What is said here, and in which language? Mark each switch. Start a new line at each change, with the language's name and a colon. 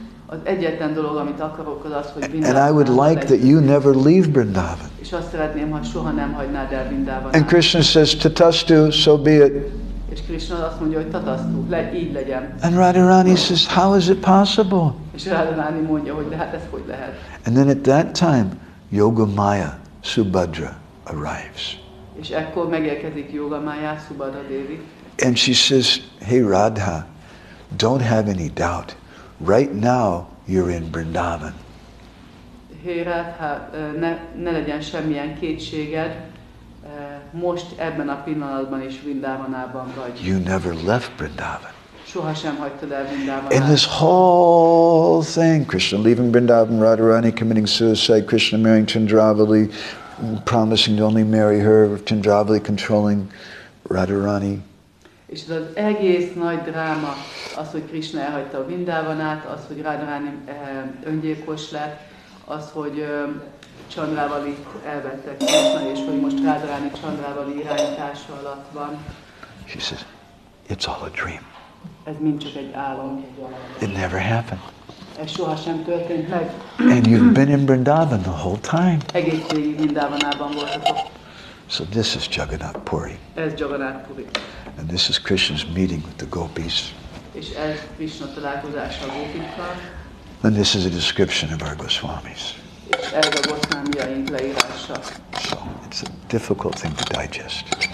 Hungarian: Az egyetlen dolog, amit akarok, az az, hogy Vrindavan.
English: And I would like that you never leave Vrindavan.
Hungarian: És azt szeretném, ha soha nem hagynád el Vrindavan.
English: And Krishna says, tatastu, so be it.
Hungarian: És Krishna azt mondja, hogy tatastu, így legyen.
English: And Radharani says, how is it possible?
Hungarian: És Radharani mondja, hogy de hát ez hogy lehet.
English: And then at that time, Yogamaya Subhadra arrives.
Hungarian: És ekkor megérkezik Yogamaya Subhadra Devi.
English: And she says, hey Radha, don't have any doubt. Right now, you're in Vrindavan.
Hungarian: Hey Radha, ne legyen semmilyen kétséged. Most ebben a pillanatban is Vrindavanában vagy.
English: You never left Vrindavan.
Hungarian: Soha sem hagytad el Vrindavanát.
English: In this whole thing, Krishna leaving Vrindavan, Radharani committing suicide, Krishna marrying Chandravali, promising to only marry her, Chandravali controlling Radharani.
Hungarian: És ez az egész nagy dráma, az, hogy Krishna elhagyta a Vrindavanát, az, hogy Radharani öngyilkos lett, az, hogy Chandravali elvette Krishna, és hogy most Radharani Chandravali irányítása alatt van.
English: She says, it's all a dream.
Hungarian: Ez mind csak egy álom.
English: It never happened.
Hungarian: Ez soha sem történt meg.
English: And you've been in Vrindavan the whole time.
Hungarian: Egész végig Vrindavanában voltatok.
English: So this is Jagannath Puri.
Hungarian: Ez Jagannath Puri.
English: And this is Krishna's meeting with the gopis.
Hungarian: És ez Krishna találkozása a gópikkal.
English: And this is a description of our Goswamis.
Hungarian: És ez a Goswamiaink leírása.
English: So it's a difficult thing to digest.